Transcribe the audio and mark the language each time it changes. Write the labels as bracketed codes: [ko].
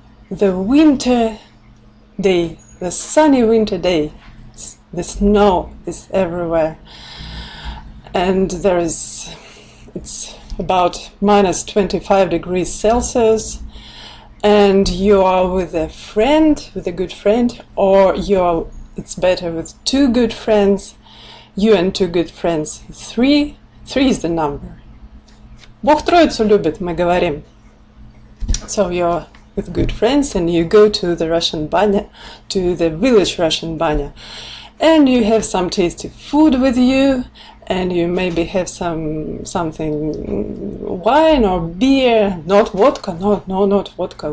[en] The winter day, the sunny winter day, the snow is everywhere. And it's about minus 25 degrees Celsius, and you are with a friend, with a good friend, or you are, it's better, with two good friends, you and two good friends, three is the number. [ru] Бог Троицу любит, мы говорим. [en] So you're with good friends and you go to the Russian banya, to the village Russian banya, and you have some tasty food with you, and you maybe have something, wine or beer, not vodka, no, not vodka.